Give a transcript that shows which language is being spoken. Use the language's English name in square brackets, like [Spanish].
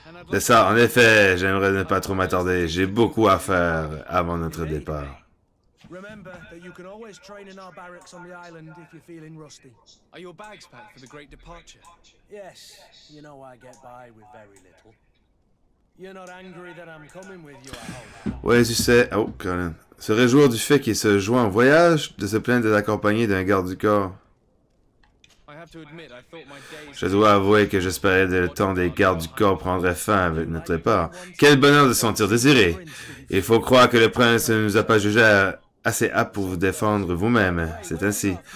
[French] C'est ça, en effet, j'aimerais ne pas trop m'attarder. J'ai beaucoup à faire avant notre départ. [English] Remember that you can always train in our barracks on the island if you're feeling rusty. Are your bags packed for the great departure? Yes, you know I get by with very little. You're not angry that I'm coming with you, I hope. [French] Ouais, tu sais. Oh, Colin. Se réjouir du fait qu'il se joint en voyage, de se plaindre d'être accompagné d'un garde du corps. Je dois avouer que j'espérais que le temps des gardes du corps prendrait fin avec notre départ. Quel bonheur de se sentir désiré. Il faut croire que le prince ne nous a pas jugé assez apte pour vous défendre vous-même. C'est ainsi.